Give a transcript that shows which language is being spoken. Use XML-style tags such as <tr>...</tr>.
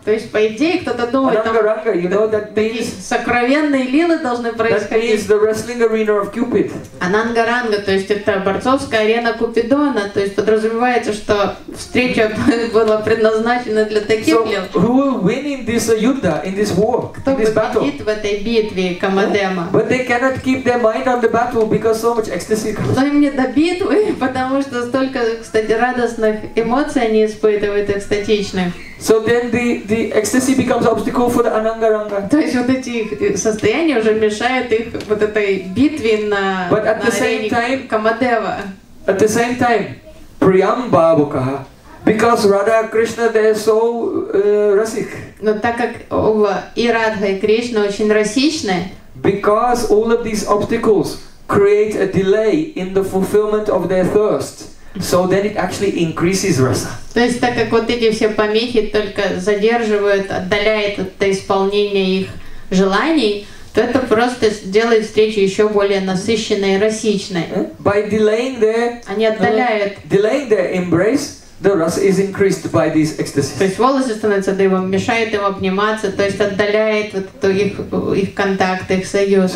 <ru>То есть, по идее, кто-то думает, там,</ru> <en>anga-ranga, you know, that means,</en> <ru>сокровенные лилы должны происходить.</ru> <en>That means the wrestling arena of Cupid.</en> <ru>Ананга-ранга, то есть это борцовская арена Купидона, то есть подразумевается, что встреча была предназначена для.</ru> <en>So who will win in this yuddha, in this war, in this battle? But they cannot keep their mind on the battle because so much ecstasy comes.</en> <ru>Но им не до битвы, потому что столько, кстати, радостных эмоций они испытывают экстатичных.</ru> <en>So then the ecstasy becomes obstacle for the ананга-ранга.</en> <ru>То есть вот эти состояния уже мешают их вот этой битве на арене Камадева.</ru> <en>At the same time,</en> <sa>Priyam Babukaha.</sa> <en>Because Radha Krishna they are so rasik.</en> <ru>Но так как и Радха и Кришна очень расичны.</ru> <en>Because all of these obstacles create a delay in the fulfillment of their thirst. So then it actually increases rasa.</en> <ru>То есть так как вот эти все помехи только задерживают, отдаляют от исполнения их желаний, то это просто делает встречу еще более насыщенной и расичной.</ru> <en>By delaying their,</en> <ru>они отдаляют.</ru> <en>Delaying their embrace, the rasa is increased by these ecstasies.</en> <ru>То есть волосы становятся дымом, мешает им обниматься, то есть отдаляет вот то их контакт, их союз.</ru>